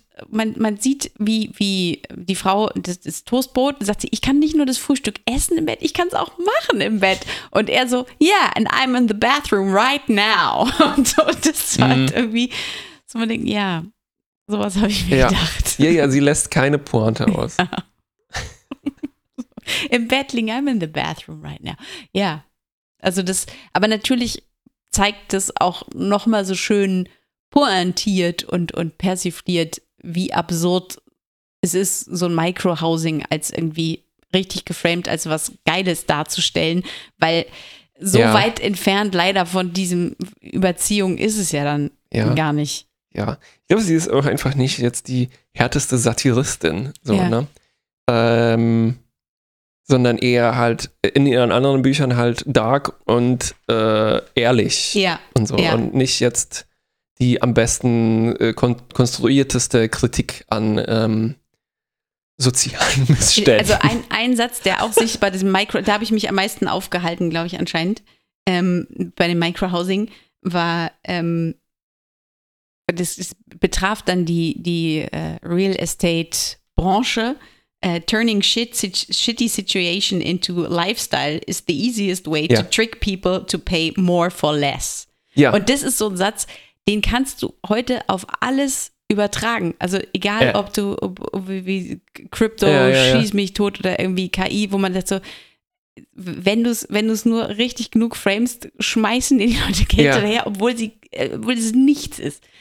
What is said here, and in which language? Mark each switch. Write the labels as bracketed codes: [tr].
[de] Man sieht, wie die Frau das Toastbrot, sagt sie, ich kann nicht nur das Frühstück essen im Bett, ich kann es auch machen im Bett. Und er so, [en] yeah, and I'm in the bathroom right now. [de] Und so, und das war halt irgendwie, so man denkt, ja, sowas habe ich mir gedacht. Ja, ja, sie lässt keine Pointe aus. Ja. Im Bett liegen, [en] I'm in the bathroom right now. [de] Ja, also das, aber natürlich zeigt das auch nochmal so schön pointiert und persifliert, wie absurd es ist, so ein Microhousing als irgendwie richtig geframed, als was Geiles darzustellen, weil so weit entfernt leider von diesem Überziehung ist es ja dann gar nicht. Ja, ich glaube, sie ist auch einfach nicht jetzt die härteste Satiristin, so, ne? Sondern eher halt in ihren anderen Büchern halt dark und ehrlich und so. Ja. Und nicht jetzt die am besten konstruierteste Kritik an sozialen Missständen. Also ein Satz, der auch sich bei diesem Micro, da habe ich mich am meisten aufgehalten, glaube ich, anscheinend, bei dem Microhousing, war, das betraf dann die Real Estate Branche. [en] Turning shitty situation into lifestyle is the easiest way to trick people to pay more for less. [de] Ja. Und das ist so ein Satz, den kannst du heute auf alles übertragen. Also egal, ob du wie Crypto, schieß mich tot oder irgendwie KI, wo man sagt so, wenn du es nur richtig genug framest, schmeißen die Leute Geld hinterher, obwohl es nichts ist.